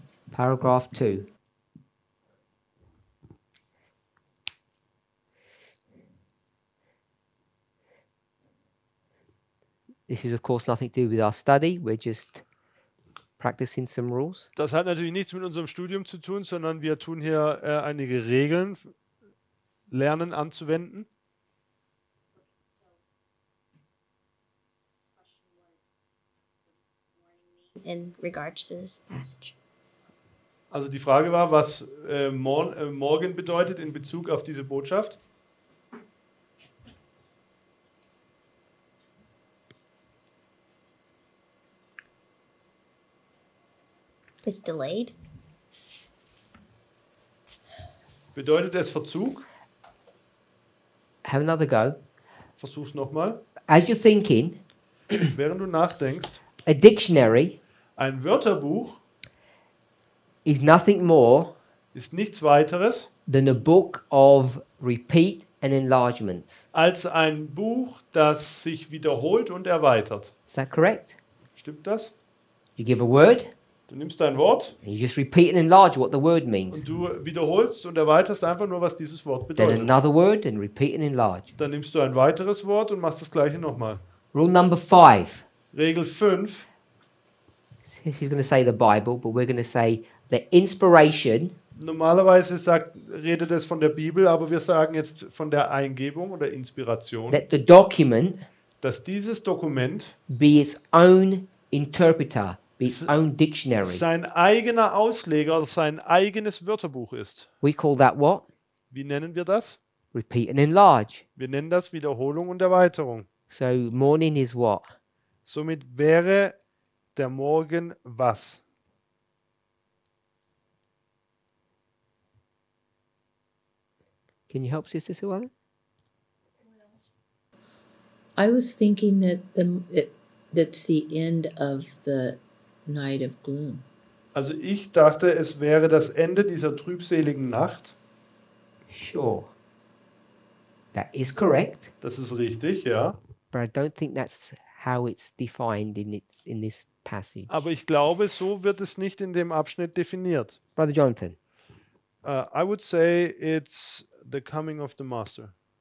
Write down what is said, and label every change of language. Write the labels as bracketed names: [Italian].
[English] Paragraph 2. This is of course nothing to do with our study. We're just practicing some rules. [German] Das hat natürlich nichts mit unserem Studium zu tun, sondern wir tun hier einige Regeln lernen anzuwenden. [English] In regards to this passage. [German] Also die Frage war, was morgen bedeutet in Bezug auf diese Botschaft. [English] It's delayed. [German] Bedeutet es Verzug? [English] Have another go. [German] Versuch's nochmal. [English] As you're thinking, [German] während du nachdenkst, [English] a dictionary, [German] ein Wörterbuch, [English] is nothing more, [German] ist nichts weiteres, [English] than a book of repeat and enlargements. [German] Als ein Buch, das sich wiederholt und erweitert. [English] Is that correct? [German] Stimmt das? [English] You give a word. [German] Du nimmst dein Wort. [English] You just repeat and enlarge what the word means. [German] Und du wiederholst und erweiterst einfach nur, was dieses Wort bedeutet. [English] Then another word and repeat and enlarge. [German] Dann nimmst du ein weiteres Wort und machst das gleiche nochmal. [English] Rule number 5. [German] Regel 5. [English] He's going to say the Bible, but we're going to say the inspiration. [German] Normalerweise redet es von der Bibel, aber wir sagen jetzt von der Eingebung oder Inspiration. [English] That the document, [German] dass dieses Dokument, [English] be its own interpreter, be its own dictionary. [German] Sein eigener Ausleger, sein eigenes Wörterbuch ist. [English] We call that what? [German] Wie nennen wir das? [English] Repeat and enlarge. [German] Wir nennen das Wiederholung und Erweiterung. [English] So morning is what? [German] Somit wäre der Morgen was? [English] Can you help Sister Suwan? I was thinking that that's the end of the night of gloom. [German] Also ich dachte, es wäre das Ende dieser trübseligen Nacht. [English] Sure. That is correct. [German] Das ist richtig, ja. [English] But I don't think that's how it's defined in this passage. [German] Aber ich glaube, so wird es nicht in dem Abschnitt definiert. [English] Brother Jonathan. I would say it's the coming of the master.